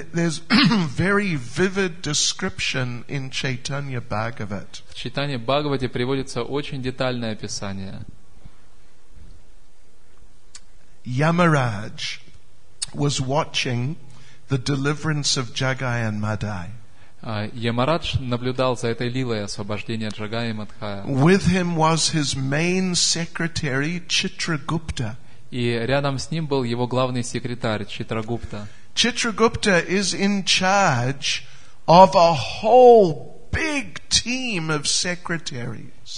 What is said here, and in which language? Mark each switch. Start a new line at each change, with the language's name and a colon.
English: There's very vivid description in Chaitanya Bhagavat.
Russian: В Чайтанье Бхагавате приводится очень детальное описание.
English: Yamaraj was watching the deliverance of Jagayan Madai.
Russian: Yamaraj наблюдал за этой лилой освобождения Джагая и Мадхая.
English: With him was his main secretary Chitragupta.
Russian: И рядом с ним был его главный секретарь Читрагупта.
English: Chitragupta is in charge of a whole big team of secretaries.